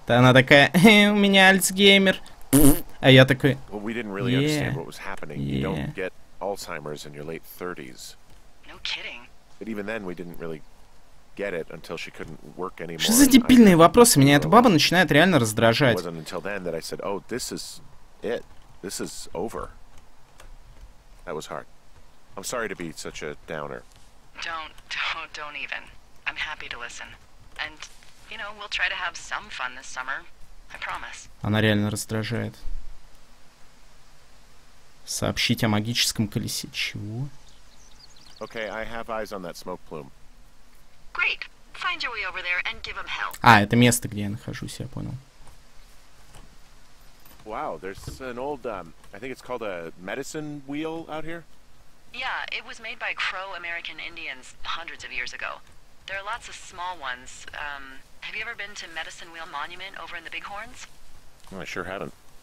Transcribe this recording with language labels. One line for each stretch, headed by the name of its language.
Russian: Да, она такая: у меня Альцгеймер. А я такой:
English: well, we didn't really understand what was happening. You don't get Alzheimer's in your late 30s. No kidding. But even then we didn't really get it until she couldn't work anymore.
Russian: Что за дебильные вопросы? Меня эта баба начинает реально раздражать.
English: Said, oh, this is it. This is over. That was hard. I'm sorry to be such a downer. Don't even. I'm happy to listen. And you know, we'll try to have some fun this summer. I promise.
Russian: Она реально раздражает. Сообщить о магическом колесе. Чего?
English: Okay, I have eyes on that smoke plume. Great. Find your way over there and give him hell.
Russian: А, это место, где я нахожусь, я понял.
English: Wow, there's an old I think it's called a medicine wheel out here. Yeah, it was made by Crow American Indians hundreds of years ago. There are lots of small ones. Have you ever been to Medicine Wheel Monument over in the Bighorns? I sure haven't.